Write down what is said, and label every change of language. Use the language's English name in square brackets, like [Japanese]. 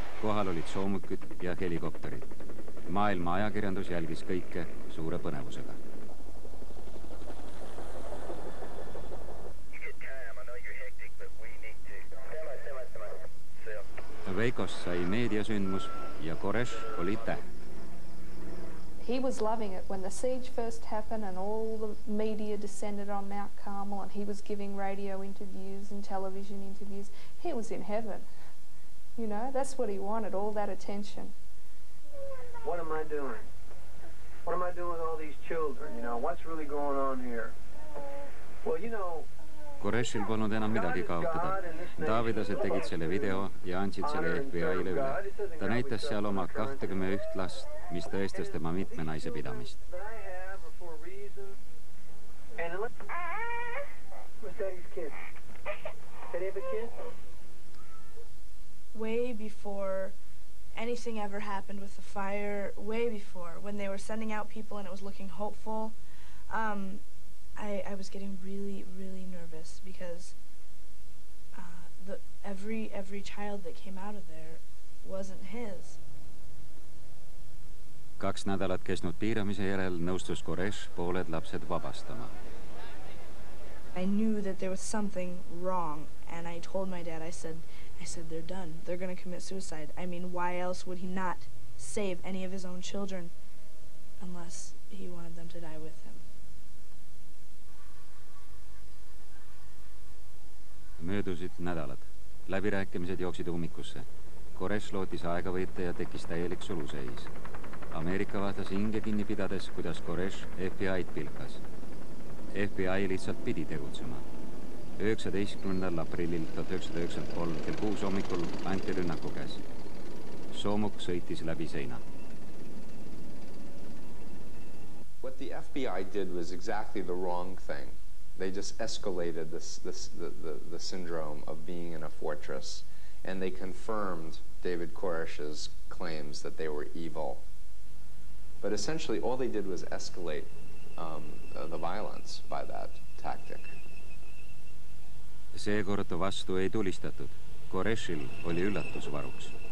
[Estonian] Kohal olid soomukid ja helikopterid. Maailma ajakirjandus jälgis kõike suure põnevusega. Veikost sai meediasündmus ja Koresh oli täht. [English] He was loving it when the siege first happened and all the media descended on Mount Carmel and he was giving radio interviews and television interviews. He was in heaven. You know, that's what he wanted, all that attention. What am I doing? What am I doing with all these children? You know, what's really going on here? Well, you know, [Estonian] Koreshil polnud enam midagi kaotada. Davidased tegid selle video ja andsid selle FBI-le üle. Ta näitas seal oma 21 last, mis tõestas tema mitme naise pidamist. [English] Way before anything ever happened with the fire, way before, when they were sending out people and it was looking hopeful, I was getting really, really nervous because every child that came out of there wasn't his. [Estonian] Kaks nädalat kestnud piiramise järel nõustus Koresh pooled lapsed vabastama. [English] I knew that there was something wrong and I told my dad, I said they're done. They're going to commit suicide. I mean, why else would he not save any of his own children unless he wanted them to die with him? [Estonian] Möödusid nädalad. Läbirääkimised jooksid ummikusse. Koresh lootis aega võita ja tekis täielik suluseis. Ameerika vaatas hinge kinni pidades, kuidas Koresh FBI-t pilkas. FBI lihtsalt pidi tegutsema. 19. aprillil 1993 kell 6 hommikul anti rünnaku käs. Soomuk sõitis läbi seina. [English] What the FBI did was exactly the wrong thing. They just escalated the syndrome of being in a fortress, and they confirmed David Koresh's claims that they were evil. But essentially, all they did was escalate the violence by that tactic. [Estonian] Seekord vastu ei tulistatud. Koreshil oli üllatusvaruks.